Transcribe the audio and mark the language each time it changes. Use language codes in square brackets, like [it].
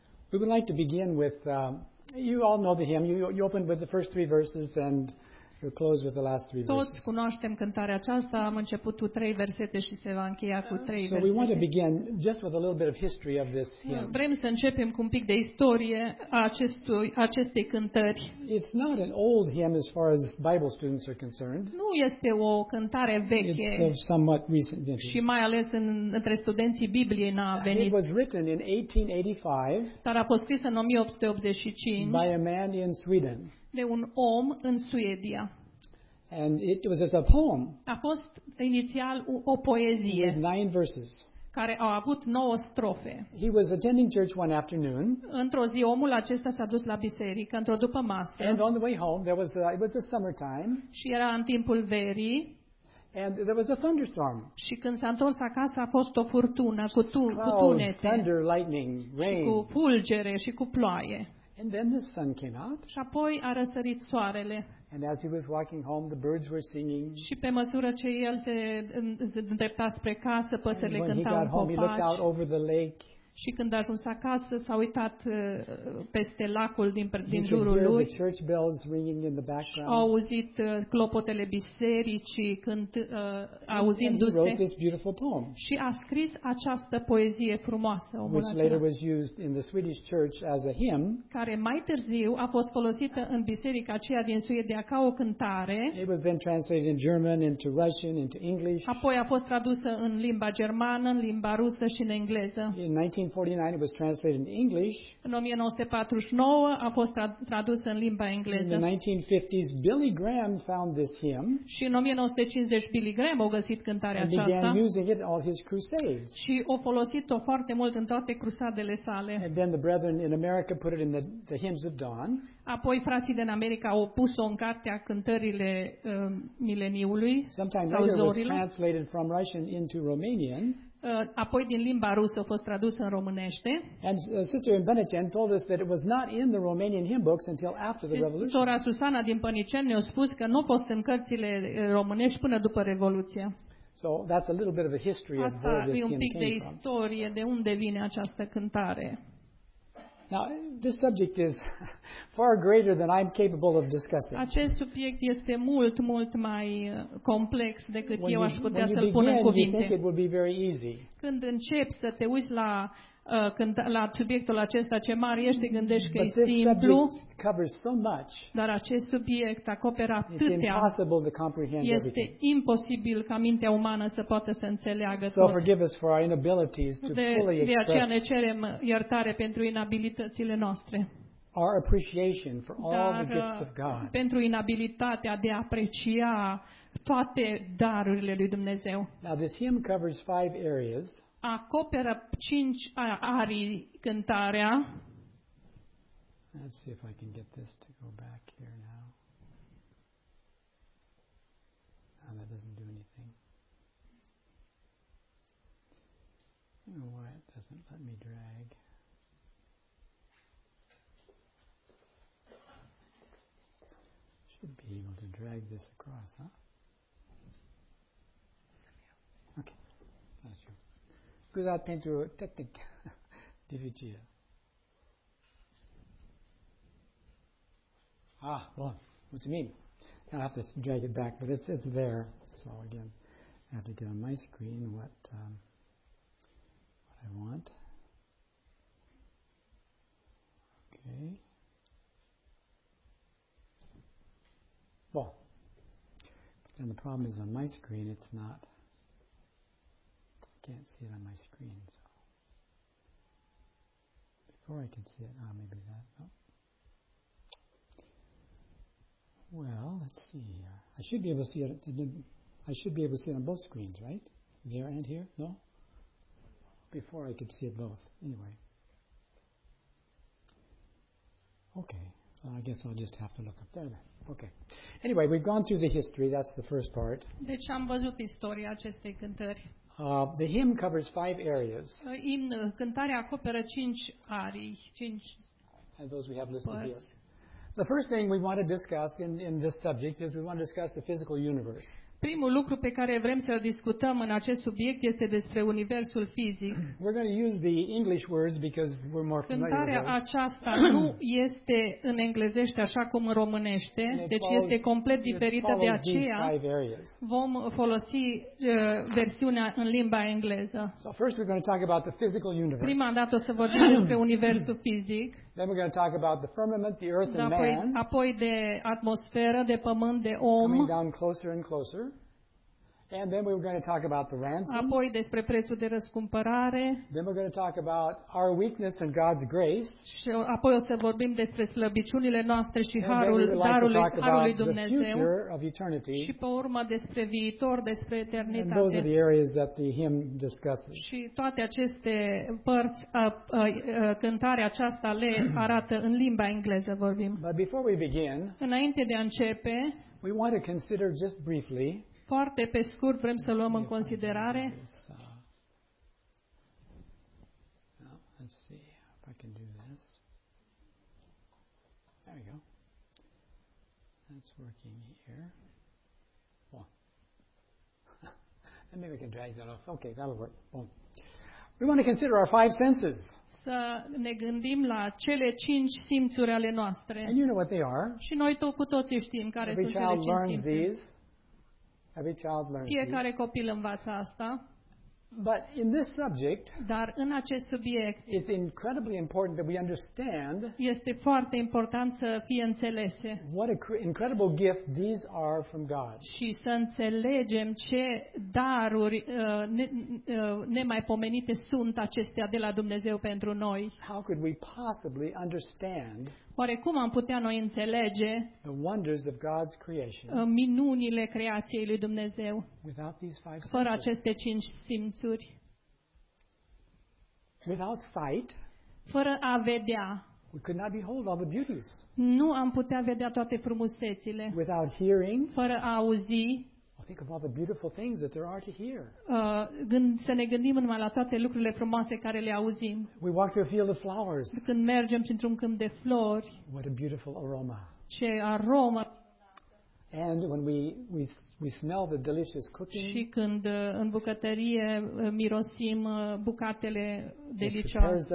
[en] We would like to begin with, you all know the hymn, you opened with the first three verses and you close with the last three [ro] toți [en] verses. [ro] Toți cunoaștem cântarea aceasta, am început cu trei versete și se va încheia cu trei versete. [en] So we want to begin just with a little bit of history of this hymn. [ro] Vrem să începem cu un pic de istorie a acestei cântări. [en] It's not an old hymn as far as Bible students are concerned. [ro] Nu este o cântare veche. [en] It's of somewhat recent vintage. [ro] Și mai ales între studenții Bibliei n-a venit. [en] It was written in 1885. [ro] Dar a fost scrisă în 1885. [en] By a man in Sweden. [ro] De un om în Suedia. [en] And it was as a poem. [ro] A fost inițial o poezie. [en] With 9 verses. [ro] Care au avut 9 strofe. [en] He was attending church one afternoon. [ro] Într-o zi omul acesta s-a dus la biserică într-o după-masă. [en] And on the way home there was it was the summertime. [ro] Și era în timpul verii. [en] And there was a thunderstorm. [ro] Și când s-a întors acasă a fost o furtună cu tunete. [en] Thunder, lightning, rain. [ro] Și cu fulgere și cu ploaie. [en] And then the sun came out. [ro] Și apoi a răsărit soarele. [en] And as he was walking home, the birds were singing. [ro] Și pe măsură ce el se îndrepta spre casă, păsările cântau în copaci. [en] And when he got home, he looked out over the lake. [ro] Și când a ajuns acasă, s-a uitat peste lacul din jurul lui. [en] The church bells ringing in the background. [ro] A auzit clopotele bisericii auzindu-se. [en] And he wrote this beautiful poem. [ro] Și a scris această poezie frumoasă, omul [en] which later was used in the Swedish church as a hymn. [ro] Care mai târziu a fost folosită în biserica aceea din Suedia ca o cântare. [en] It was then translated in German, into Russian, into English. [ro] Apoi a fost tradusă în limba germană, în limba rusă și în engleză. [en] In 1949 it was translated in English. [ro] În 1949 a fost tradusă în limba engleză. [en] In the 1950s Billy Graham found this hymn. [ro] Și în 1950 Billy Graham a găsit cântarea aceasta. [en] And began using it all his crusades. [ro] Și a folosit-o foarte mult în toate crusadele sale. [en] And then the brethren in America put it in the hymns of dawn. [ro] Apoi frații din America au pus-o în cartea cântările mileniului. [en] Sometime later it was translated from Russian into Romanian. [ro] Apoi din limba rusă a fost tradusă în românește. [en] And Sister Benetian told us that it was not in the Romanian hymn books until after the revolution. [ro] Sora Susana din Pănicen ne-a spus că nu a fost în cărțile românești până după revoluție. [en] So that's a little bit of a history of where this hymn came from. [ro] Asta e un pic de istorie de unde vine această cântare. [en] Now, this subject is far greater than I'm capable of discussing. [ro] Acest subiect este mult, mult mai complex decât [en] when [ro] eu aș putea [en] you, [ro] să-l pun [en] begin, [ro] în cuvinte. [en] You think it will be very easy. [ro] Când începi să te uiți la la subiectul acesta ce mare ești, te gândești că [en] but [ro] e simplu, [en] covers so much, [ro] dar acest subiect acoperă atâtea, [en] impossible to comprehend [ro] este [en] everything. [ro] Imposibil ca mintea umană să poată să înțeleagă [en] so [ro] tot. [en] Forgive us for our inabilities to [ro] de, [en] fully [ro] de aceea ne cerem iertare pentru inabilitățile noastre. [en] Our appreciation for all [ro] dar, [en] the gifts of God. [ro] Pentru inabilitatea de a aprecia toate darurile lui Dumnezeu. [en] Now this hymn covers five areas. [ro] Acoperă cinci arii cântarea. [en] Let's see if I can get this to go back here now. Now that doesn't do anything. You know why it doesn't let me drag? Should be able to drag this across, huh? Okay, that's true. [ro] Scuza pentru tehnic dificil. Ah, bun. Mulțumim. [en] I have to drag it back, but it's there. So again, I have to get on my screen what I want. Okay. Well, then the problem is on my screen, it's not. I can't see it on my screen. So before I can see it, maybe that. No. Well, let's see here. I should be able to see it. I should be able to see it on both screens, right? There and here? No? Before I could see it both. Anyway. Okay. Well, I guess I'll just have to look up there then. Okay. Anyway, we've gone through the history. That's the first part. [ro] Deci am văzut istoria acestei cântări. [en] The hymn covers five areas. [ro] Imnul, cântarea acoperă cinci arii, cinci. [en] And those we have listed here. The first thing we want to discuss in this subject is we want to discuss the physical universe. [ro] Primul lucru pe care vrem să-l discutăm în acest subiect este despre universul fizic. [en] We're going to use the English words because we're more familiar. [ro] Cântarea aceasta nu este în englezește așa cum în românește, deci este complet diferită, de aceea vom folosi versiunea în limba engleză. [en] So first we're going to talk about the physical universe. [ro] Prima dată o să vorbim despre universul fizic. [en] Then we're going to talk about the firmament, the earth and [ro] apoi, [en] man. [ro] Apoi de atmosferă, de pământ, de om. [en] Coming down closer and closer. And then we were going to talk about the ransom. [ro] Apoi despre prețul de răscumpărare. [en] Then we're going to talk about our weakness and God's grace. [ro] Și apoi o să vorbim despre slăbiciunile noastre și harul, darului Dumnezeu. Și pe urmă despre viitor, despre eternitate. [en] And those are the areas that the hymn discusses. [ro] Și toate aceste părți, cântarea aceasta le arată în limba engleză vorbim. [en] But before we begin, [ro] înainte de a începe, [en] we want to consider just briefly. [ro] Foarte pe scurt vrem să luăm în considerare. [en] Let's see if I can do this. There we go. That's working here. Well, and maybe we can drag that off. Okay, that'll work. Boom. We want to consider our five senses. [ro] Să ne gândim la cele cinci simțuri ale noastre. [en] And you know what they are. [ro] Și noi cu toții știm care sunt cele cinci simțuri. [en] Every child learns. [ro] Fiecare copil învață asta. [en] But in this subject, [ro] dar în acest subiect, [en] it's incredibly important that we understand. [ro] Este foarte important să fie înțelese. [en] What an incredible gift these are from God. [ro] Și să înțelegem ce daruri nemaipomenite sunt acestea de la Dumnezeu pentru noi. [en] How could we possibly understand? [ro] Oare cum am putea noi înțelege [en] the wonders of God's creation [ro] minunile creației lui Dumnezeu [en] without these five [ro] fără aceste cinci simțuri? [en] Without sight, [ro] fără a vedea, [en] we could not behold all the beauties. [ro] Nu am putea vedea toate frumusețile. [en] Without hearing, [ro] fără a auzi. [en] Think of all the beautiful things that there are to hear. [ro] Să ne gândim numai la toate lucrurile frumoase care le auzim. [en] We walk through a field of flowers. [ro] Când mergem printr-un câmp de flori. [en] What a beautiful aroma. [ro] Ce aromă. [en] And when we smell the delicious cooking. [ro] Și când în bucătărie mirosim bucatele delicioase.